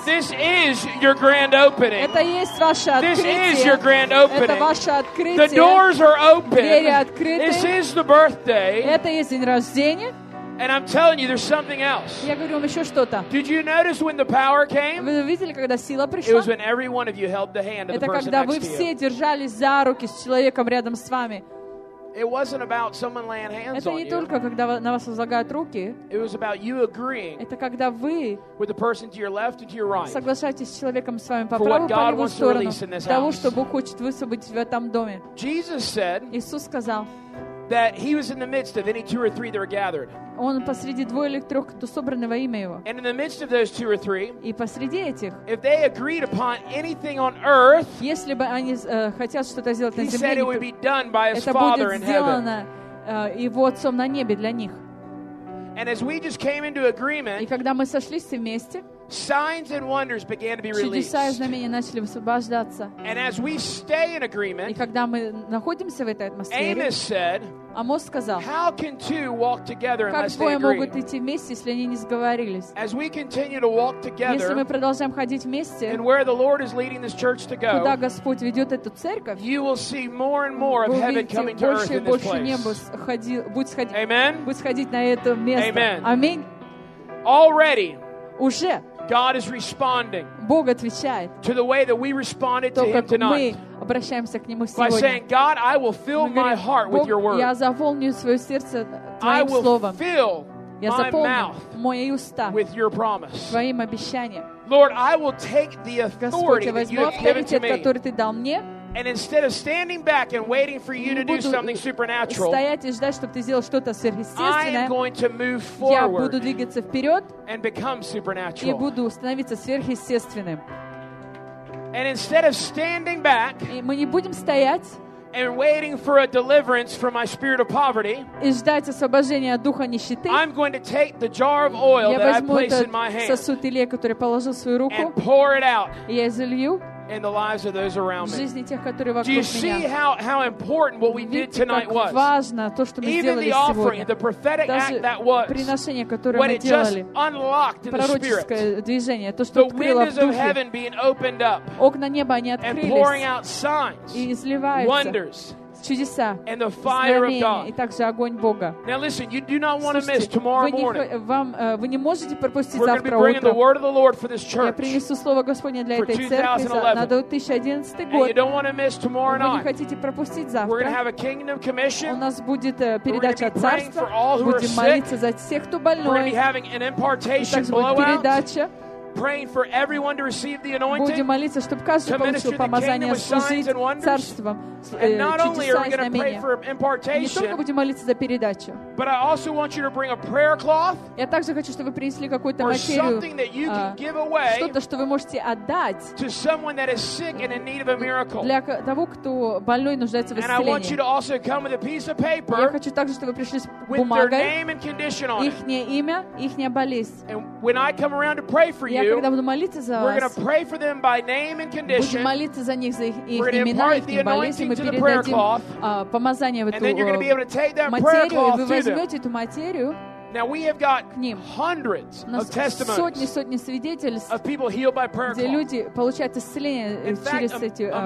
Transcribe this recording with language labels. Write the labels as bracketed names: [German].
[English] This is your grand opening. [Russian] Это есть ваше открытие. [English] This is your grand opening. [Russian] Это ваше открытие. [English] The doors are open. [Russian] Двери открыты. [English] This is the birthday. [Russian] Это есть день рождения. [English] And I'm telling you, there's something else. [Russian] Я говорю вам еще что-то. [English] Did you notice when the power came? [Russian] Вы видели, когда сила пришла? [English] It was when every one of you held the hand of the person next to you. [Russian] Это когда вы все держались за руки с человеком рядом с вами. [English] It wasn't about someone laying hands on you. [Russian] Это не только когда на вас возлагают руки. [English] It was about you agreeing. [Russian] Это когда вы [English] with the person to your left and to your right. [Russian] Соглашаетесь с человеком с вами по правую и по левую сторону того, что Бог хочет высвободить в этом доме. [English] Jesus said. [Russian] Иисус сказал. [English] That he was in the midst of any two or three that are gathered. [Russian] Он посреди двоих или трех, кто собраны во имя его. [English] And in the midst of those two or three. [Russian] И посреди этих. [English] If they agreed upon anything on earth. [Russian] Если бы они хотят что-то сделать на земле. [English] He said it would be done by his Father in heaven. [Russian] Его отцом на небе для них. [English] And as we just came into agreement. [Russian] И когда мы сошлись вместе. [English] Signs and wonders began to be released. [Russian] Чудеса и знамения начали высвобождаться. [English] And as we stay in agreement, [Russian] и когда мы находимся в этой атмосфере, [English] Amos said, [Russian] Амос сказал, [English] how can two walk together unless they agree? [Russian] Как двое могут идти вместе, если они не сговорились? [English] As we continue to walk together, [Russian] если мы продолжаем ходить вместе, [English] and where the Lord is leading this church to go, [Russian] куда Господь ведет эту церковь, [English] you will see more and more of heaven coming to earth in this place. [Russian] Вы увидите больше и больше неба будет сходить на это место. [English] Amen. [Russian] Аминь. [English] Already. [Russian] Уже. [English] God is responding. [Russian] Бог отвечает. [English] To the way that we responded to him tonight. [Russian] Мы обращаемся к нему сегодня. [English] By saying, God, I will fill my heart with your word. [Russian] Я заполню своё сердце твоим словом. [English] I will fill my mouth with your promise. [Russian] Твоим обещанием. [English] Lord, I will take the authority that you have given to me. [Russian] Который ты дал мне. [English] And instead of standing back and waiting for you to do something supernatural, [Russian] стоять и ждать, чтобы ты сделал что-то сверхъестественное, [English] I am going to move forward. [Russian] Я буду двигаться вперед [English] and become supernatural. [Russian] И буду становиться сверхъестественным. [English] And instead of standing back, [Russian] и мы не будем стоять [English] and waiting for a deliverance from my spirit of poverty, [Russian] и ждать освобождения от духа нищеты, [English] I'm going to take the jar of oil that I place in my hand, [Russian] сосуд илея, который положил в свою руку, [English] and pour it out. [Russian] Я залью. [English] in the lives of those around me. [Russian] Тех, [English] Do you see how important what we did tonight was? [Russian] Важно, то, [English] Even the offering, [Russian] сегодня. [English] The prophetic [Russian] Даже [English] act that was, when it [Russian] делали, [English] just unlocked in the Spirit, [Russian] движение, то, [English] the windows [Russian] духе, [English] of heaven being opened up, [Russian] неба, [English] and pouring out signs, wonders, [Russian] чудеса, [English] and the fire of God. Now listen, you do not want to miss tomorrow morning. [Russian] Вы не можете пропустить завтра утро. [English] We're going to be bringing the word of the Lord for this church. [Russian] Я принесу слово Господне для этой церкви на 2011 год. [English] And you don't want to miss tomorrow night. [Russian] Вы не хотите пропустить завтра. [English] We're going to have a kingdom commission. [Russian] У нас будет передача царства. [English] We're going to be praying for all who are sick. [Russian] Будем молиться за тех, кто больной. [English] We're going to be having an impartation blowout. Praying for everyone to receive the anointing. [Russian] Будем молиться, чтобы каждый получил помазание, служить царством. [English] And not only are we going to pray for impartation, [Russian] не только будем молиться за передачу, [English] but I also want you to bring a prayer cloth. [Russian] Я также хочу, чтобы вы принесли какую-то материю, что-то, что вы можете отдать [English] to someone that is sick and in need of a miracle. [Russian] Для того, кто больной нуждается в исцелении. [English] And I want you to also come with a piece of paper. [Russian] Я хочу также, чтобы вы пришли с бумагой, [English] with their name and condition on it. [Russian] Ихнее имя, ихняя болезнь. [English] And when I come around to pray for you. [Russian] Я когда буду молиться за вас, [English] we're going to pray for them by name and condition. [Russian] Будем молиться за них, за их имена, их болезни. Мы передадим помазание в эту материю, и вы возьмете эту материю. [English] Now we have got [Russian] к ним. [English] Hundreds of testimonies [Russian] сотни свидетельств, [English] of people healed by prayer cloth. [Russian] Где люди получают исцеление через эти